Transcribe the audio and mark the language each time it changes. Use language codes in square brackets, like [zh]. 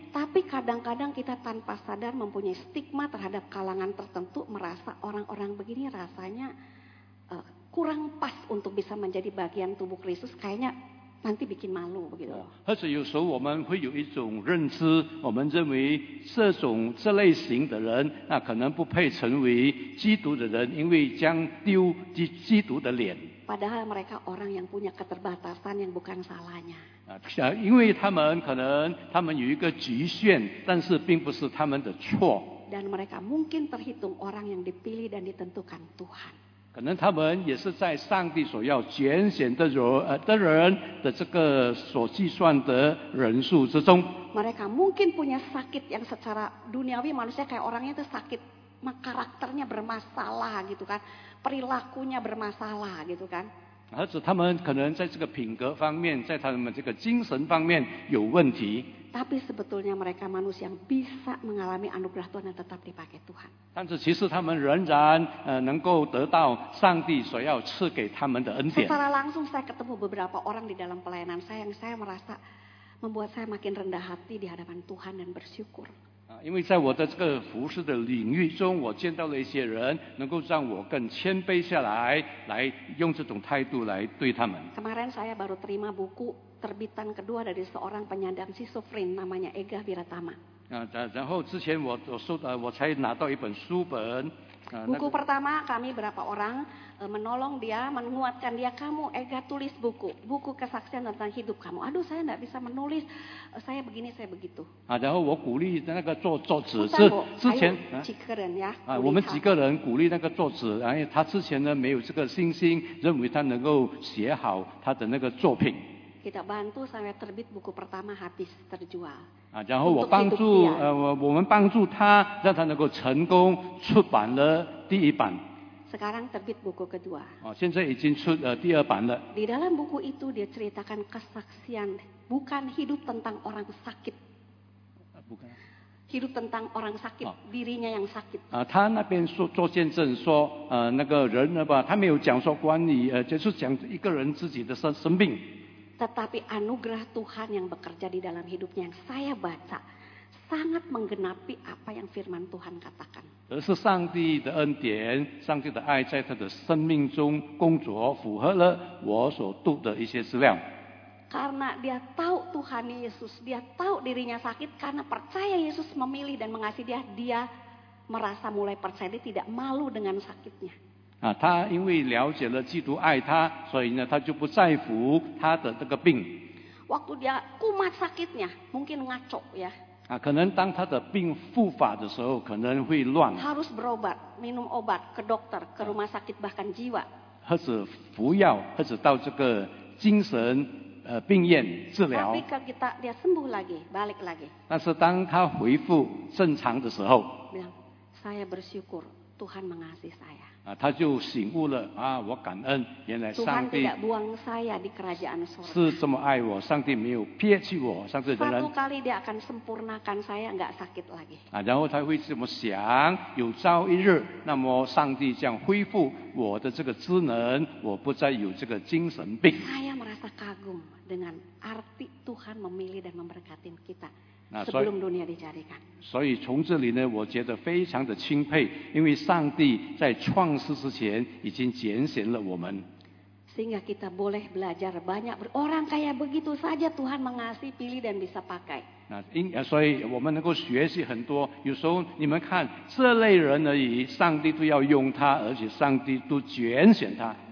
[id] Tapi kadang-kadang kita tanpa sadar mempunyai stigma terhadap kalangan tertentu, merasa orang-orang begini rasanya kurang pas untuk bisa menjadi bagian tubuh Kristus, kayaknya. Nanti bikin malu, begitu. [zh] 或者有时候我们会有一种认知，我们认为这类型的人，那可能不配成为基督的人，因为将丢基督的脸。 [id] Padahal mereka orang yang punya keterbatasan yang bukan salahnya. [zh] 因为他们可能他们有一个局限，但是并不是他们的错。 [id] Dan mereka mungkin terhitung orang yang dipilih dan ditentukan Tuhan. [zh] 可能他们也是在上帝所要拣选的人的这个所计算的人数之中。 [id] Mereka mungkin punya sakit yang secara duniawi manusia kayak orangnya itu sakit, karakternya bermasalah gitu kan, perilakunya bermasalah gitu kan。 [zh] 而且他们可能在这个品格方面，在他们这个精神方面有问题。 [id] Tapi sebetulnya mereka manusia yang bisa mengalami anugerah Tuhan dan tetap dipakai Tuhan. [zh] 但是其实他们仍然能够得到上帝所要赐给他们的恩典。 [id] Secara langsung saya ketemu beberapa orang di dalam pelayanan saya yang saya merasa membuat saya makin rendah hati di hadapan Tuhan dan bersyukur. [zh] 因为在我的这个服事的领域中，我见到了一些人能够让我更谦卑下来，来用这种态度来对他们。 [id] Kemarin saya baru terima buku. Terbitan kedua dari seorang penyandang schizofren namanya Ega Wiratama. [zh] 然后之前我才拿到一本书本。 [id] Buku pertama kami berapa orang menolong dia, menguatkan dia. Kamu Ega tulis buku kesaksian tentang hidup kamu. Aduh saya tidak bisa menulis, saya begini saya begitu. [zh] 然后我鼓励那个作者之前。几个人呀？我们几个人鼓励那个作者，然后他之前呢没有这个信心，认为他能够写好他的那个作品。 [id] Kita bantu sampai terbit buku pertama habis terjual. [zh] 然后我帮助我们帮助他，让他能够成功出版了第一版。 [id] Sekarang terbit buku kedua. [zh] 现在已经出第二版了。 [id] Di dalam buku itu dia ceritakan kesaksian bukan hidup tentang orang sakit. Bukan. Hidup tentang orang sakit, dirinya yang sakit. [zh] 他那边说做见证说，那个人呢吧，他没有讲说关于就是讲一个人自己的生病。 [id] Tetapi anugerah Tuhan yang bekerja di dalam hidupnya yang saya baca sangat menggenapi apa yang firman Tuhan katakan. [zh] 而是上帝的恩典，上帝的爱在他的生命中工作，符合了我所读的一些资料。 [id] karena dia tahu Tuhan Yesus, dia tahu dirinya sakit karena percaya Yesus memilih dan mengasihi dia, dia merasa mulai percaya, dia tidak malu dengan sakitnya. [zh] 啊, 他因为了解了基督爱他, 所以呢, 他就不在乎他的这个病。 [id] Waktu dia kumat sakitnya, mungkin ngaco ya. [zh] 啊, 可能当他的病复发的时候, 可能会乱。 [id] Harus berobat, minum obat, ke dokter, ke rumah sakit, bahkan jiwa. [zh] 或是服药, 或是到这个精神, 呃, 病院治疗。 [id] Tapi kalau kita, dia sembuh lagi, balik lagi. [zh] 但是当他恢复正常的时候, 讲, [id] saya bersyukur, Tuhan mengasihi saya. [zh] 啊, 他就醒悟了, 啊, 我感恩, 原来上帝 [id] Tuhan tidak buang saya di kerajaan surga. [zh] 是这么爱我, 上帝没有撇弃我, 上帝仍然, [id] satu kali dia akan sempurnakan saya, enggak sakit lagi. [zh] 啊, 然后他会这么想, 有朝一日, 那么上帝将恢复我的这个智能, 我不再有这个精神病。 [id] Saya merasa kagum dengan arti Tuhan memilih dan memberkati kita. 啊, [zh] 所以, [id] sebelum dunia dijadikan. [zh] 所以从这里呢, 我觉得非常的钦佩, 因为上帝在创世之前已经拣选了我们。 [id] Sehingga kita boleh belajar banyak, orang kaya begitu saja Tuhan mengasihi, pilih dan bisa pakai. [zh] 啊, 因, 所以我们能够学习很多, 有时候你们看, 这类人而已, 上帝都要用他, 而且上帝都拣选他。